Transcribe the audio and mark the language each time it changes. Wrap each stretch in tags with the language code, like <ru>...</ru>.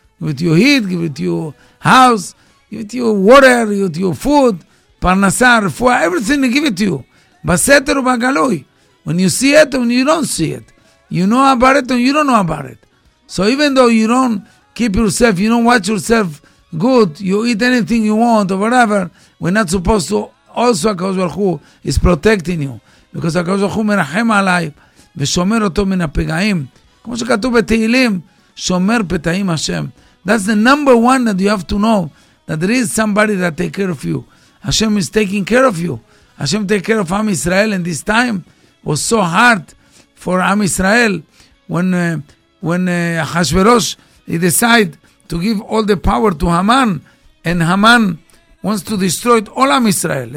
<en>Give it to you heat, give it to you house, give it to you water, give it to you food, parnasar, refuah, everything he give it to you. Baseter ubagalui. When you see it, when you don't see it. You know about it or you don't know about it. So even though you don't keep yourself, you don't watch yourself good, you eat anything you want or whatever, we're not supposed to. Also, HaKadosh Baruch Hu is protecting you. Because</en> <he>HaKadosh Baruch Hu merachem alayv ושומר אותו מן הפגעים. כמו שכתוב בתהילים, שומר פתאים השם.</he> <en>That's the number one that you have to know, that there is somebody that takes care of you. Hashem is taking care of you. Hashem takes care of Am Israel, and this time was so hard for Am Israel when Ahasuerus, he decided to give all the power to Haman, and Haman wants to destroy all Am Israel.</en>